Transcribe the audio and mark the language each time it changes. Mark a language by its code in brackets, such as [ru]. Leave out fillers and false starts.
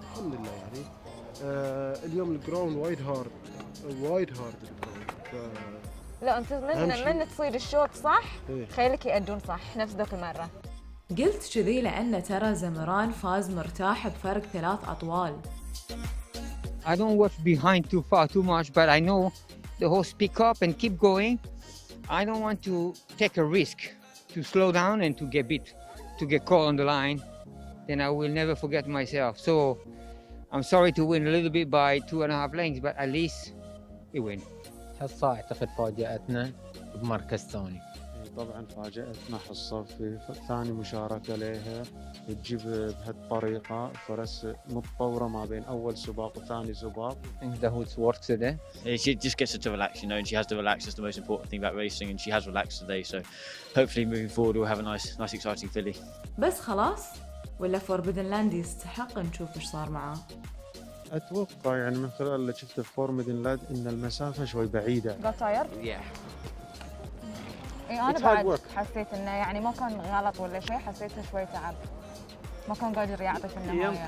[ar] الحمد لله يعني. اليوم الجراوند وايد هارد. وايد هارد. لا انت من تصير الشوط صح خيلك يأدون صح نفس ذاك المرة قلت كذي لأن ترى زمران فاز مرتاح بفرق ثلاث أطوال [en] I don't watch behind too far too much but I know the horse pick up and keep going I don't want to take a risk to slow down and to get beat to get caught on the line then I will never forget myself so I'm sorry to win a little bit by 2.5 lengths but at least he win [ar] حصة اعتقد فاجأتنا بمركز ثاني طبعا فاجأتنا حصة في ثاني مشاركة لها تجيب بهالطريقة فرس متطورة ما بين أول سباق وثاني سباق. [en] Think that would work today. She just gets her to relax, you know, and she has to relax. That's the most important thing about racing, and she has relaxed today. So hopefully moving forward we'll have a nice exciting filly. [ar] بس خلاص ولا فوربيدن لاند يستحق نشوف إيش صار معه. أتوقع يعني من خلال اللي شفته في فوربيدن لاند إن المسافة شوي بعيدة. [en] Got tired. Yeah. [ar] اي انا بعد حسيت انه يعني ما كان غلط ولا شيء حسيته شوي تعب ما كان قادر يعطي في النهايه